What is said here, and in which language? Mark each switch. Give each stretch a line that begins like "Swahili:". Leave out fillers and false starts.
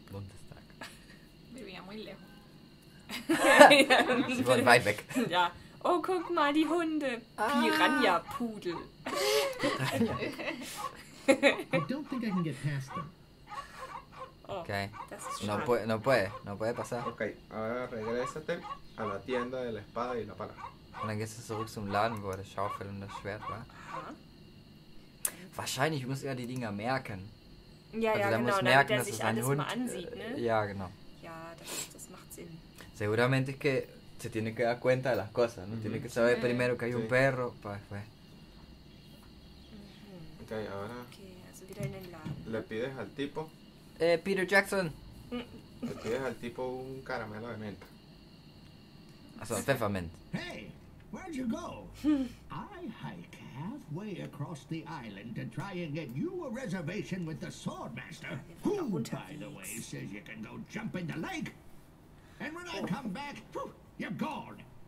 German: Bundestag. Wir sind ja
Spanish: muy lejos.
German: Sie wollen weit weg. Ja. Oh, guck mal, die Hunde. Piranha-Pudel.
English: I don't think I can get past them.
German: Oh, okay. Das ist
Spanish: no puede pasar. Okay, ahora regresate a la tienda de la espada y la pala.
German: Und dann gehst du zurück zum Laden, wo der Schaufel und das Schwert war. Aha. Wahrscheinlich muss er die Dinger merken. Ja, also ja, genau. Muss merken, damit er sich alles Hund, mal ansieht, ne? Ja, genau. Ja, das macht Sinn.
Spanish: Seguramente es que se tiene que dar cuenta de las cosas, ¿no? Tiene que saber primero que hay un perro, pa después. Okay, ahora.
German: Okay, also wieder in den Laden.
Spanish: Le pides al tipo.
English: Peter Jackson.
Spanish: Le pides al tipo un caramelo de menta.
German: Also, Pfefferment.
English: Hey, where'd you go? I hike halfway across the island to try and get you a reservation with the Swordmaster. Who, by the way, says you can go jump in the lake? And when I come back, you're gone.